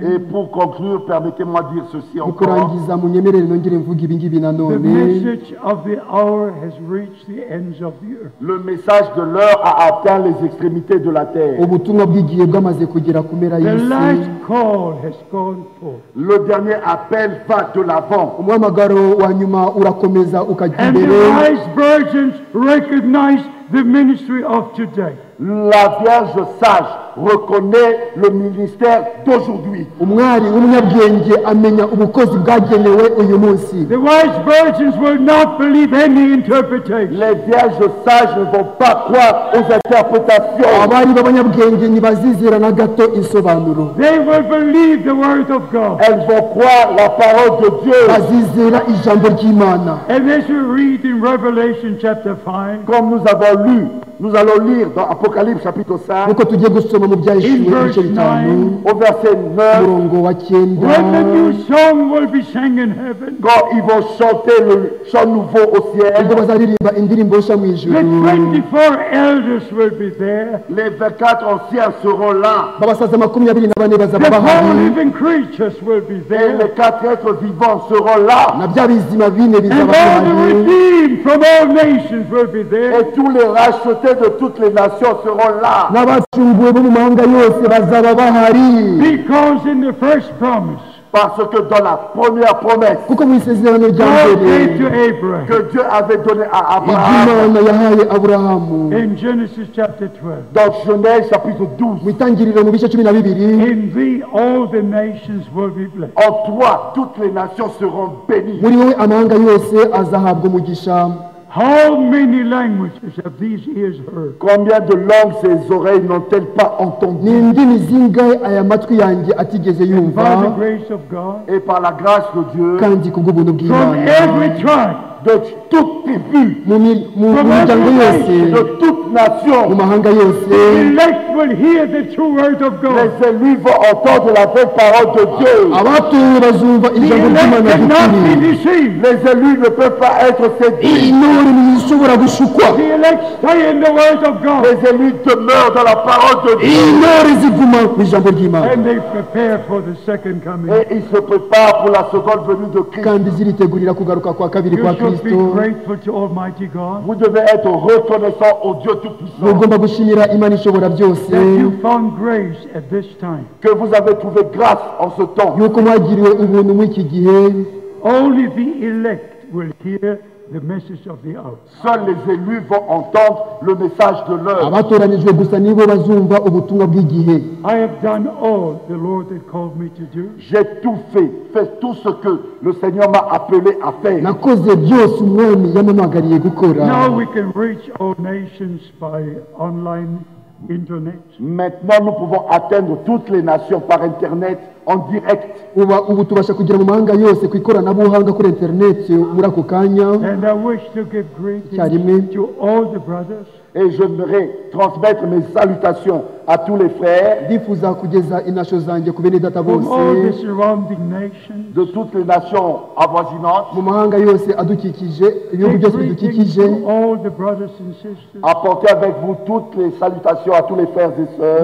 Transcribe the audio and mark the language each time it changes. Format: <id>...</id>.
<fr>Et pour conclure, permettez-moi de dire ceci encore.</fr> <en>The message of the hour has reached the ends of the earth.</en> <fr>Le message de l'heure a atteint les extrémités de la terre.</fr> <en>The last call has gone forth.</en> <fr>Le dernier appel va de l'avant.</fr> <en>And the wise virgins recognize the ministry of today.</en> <fr>La Vierge sage reconnaît le ministère d'aujourd'hui.</fr> <en>The wise virgins will not believe any interpretation.</en> <fr>Les Vierges sages ne vont pas croire aux interprétations.</fr> <en>They will believe the word of God.</en> <fr>Elles vont croire la parole de Dieu.</fr> <en>And as you read in Revelation chapter 5,</en> <fr>comme nous avons lu, nous allons lire dans Apocalypse chapitre 5,</fr> <en>in verse 9,</en> <fr>au verset 9,</fr> <en>when the new song will be sang in heaven,</en> <fr>quand ils vont chanter le chant nouveau au ciel,</fr> <en>the 24 elders will be there,</en> <fr>les 24 anciens seront là,</fr> <en>the living creatures will be there,</en> <fr>et les 4 êtres vivants seront là,</fr> <en>and all the redeemed from all nations will be there,</en> <fr>et tous les rachetés de toutes les nations seront là.</fr> <en>Because in the first promise,</en> <fr>parce que dans la première promesse,</fr> <en>God gave to Abraham,</en> <fr>que Dieu avait donné à Abraham,</fr> <en>Abraham, in Genesis chapter 12,</en> <fr>dans Genèse chapitre 12,</fr> <en>in thee all the nations will be blessed.</en> <fr>En toi, toutes les nations seront bénies.</fr> <rw>Muri wowe amahanga yose azahabwa umugisha.</rw> <en>How many languages have these ears heard?</en> <fr>Combien de langues ces oreilles n'ont-elles pas entendues?</fr> <en>By the grace of God,</en> <fr>et par la grâce de Dieu,</fr> <en>from every tribe,</en> <fr>de toute tribu, de toute nation,</fr> <en>the elect will hear the true word of God.</en> <fr>Les élus vont entendre la vraie parole de Dieu.</fr> <en>The elect cannot be deceived.</en> <fr>Les élus ne peuvent pas être séduits.</fr> <en>The elect stay in the word of God.</en> <fr>Les élus demeurent dans la parole de Dieu.</fr> <en>And they prepare for the second coming.</en> <fr>Et ils se préparent pour la seconde venue de Christ. Vous devez être reconnaissant au Dieu Tout-Puissant.</fr> <en>That you found grace at this time.</en> <fr>Que vous avez trouvé grâce en ce temps.</fr> <en>Only the elect will hear the message of the hour.</en> <fr>Seuls les élus vont entendre le message de l'heure.</fr> <en>I have done all the Lord had called me to do.</en> <fr>J'ai tout fait. Fais tout ce que le Seigneur m'a appelé à faire.</fr> <en>Now we can reach all nations by online internet.</en> <fr>Maintenant nous pouvons atteindre toutes les nations par internet. En direct. Internet.</fr> <en>And I wish to give greetings to all the brothers.</en> <fr>Et j'aimerais transmettre mes salutations à tous les frères.</fr> <rw>Diffusa kugeza inacho zanje ku bene data bose.</rw> <en>From all the surrounding nations.</en> <fr>De toutes les nations avoisinantes.</fr> <rw>Mu mahanga yose adukikije, ibihugu byose bidukikije.</rw> <en>All the brothers and sisters.</en> <fr>Apportez avec vous toutes les salutations à tous les frères et sœurs.</fr>